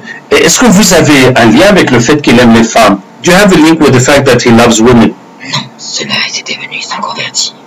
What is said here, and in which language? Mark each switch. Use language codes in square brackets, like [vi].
[fr] Est-ce que vous avez un lien avec le fait qu'il aime les femmes? [en] Do you have a link with the fact that he loves women? [fr] Non, ceux-là étaient venus, ils sont convertis.